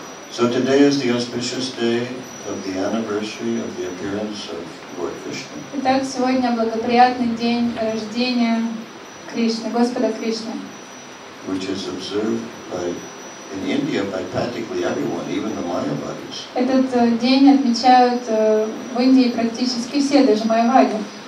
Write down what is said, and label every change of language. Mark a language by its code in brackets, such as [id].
[en] So today is the auspicious day of the anniversary of the appearance of Lord Krishna. [ru] Итак, сегодня благоприятный день рождения Кришны, Господа Кришны. [en] Which is observed by in India by practically everyone, even the Mayavadis. [ru] Этот день отмечают в Индии практически все, даже майявади.